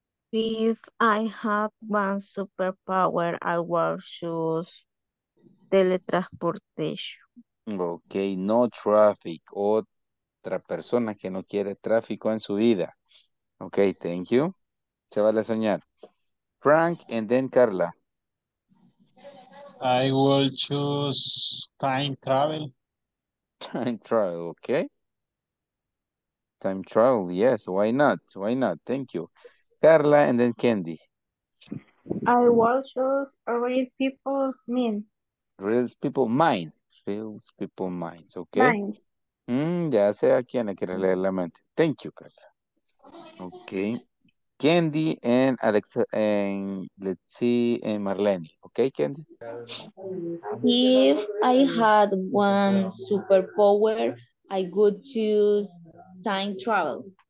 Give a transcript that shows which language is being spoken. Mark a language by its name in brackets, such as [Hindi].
[English] If I had one superpower, I would choose teletransportation. Okay, no traffic. [Spanish] Otra persona que no quiere tráfico en su vida. [English] Okay, thank you. [Spanish] Se vale soñar. [English] Frank, and then Carla. I will choose time travel. Time travel, okay. Time travel, yes. Why not? Why not? Thank you. Carla and then Candy. I will choose real people's mind. Real people mind. Real people minds, okay. Mind. [Spanish] Ya sé a quién quiere leer la mente. [English] Thank you, Carla. Okay. Candy and Alexa, and let's see, and Marlene. Okay, Candy? If I had one superpower, I would choose time travel.